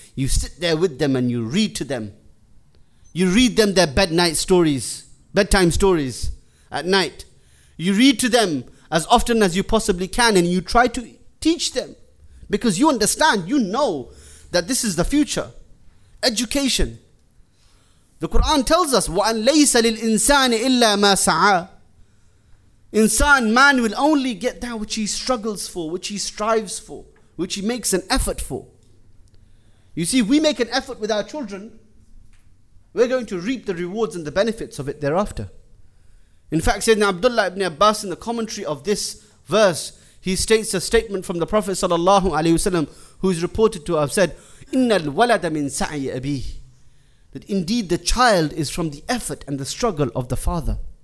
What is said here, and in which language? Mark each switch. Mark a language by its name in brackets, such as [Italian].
[English] You sit there with them and you read to them. You read them their bednight stories, bedtime stories at night. You read to them as often as you possibly can and you try to teach them. Because you understand, you know that this is the future. Education. The Quran tells us, [Arabic] وَأَلَّيْسَ لِلْإِنسَانِ إِلَّا مَا سَعَى. [English] Insan, man will only get that which he struggles for, which he strives for, which he makes an effort for. You see, if we make an effort with our children, we're going to reap the rewards and the benefits of it thereafter. In fact, Sayyidina Abdullah ibn Abbas, in the commentary of this verse, he states a statement from the Prophet sallallahu alaihi wasallam, who is reported to have said, [Arabic] "Inna al-walada min sa'i abih," [English] that indeed the child is from the effort and the struggle of the father.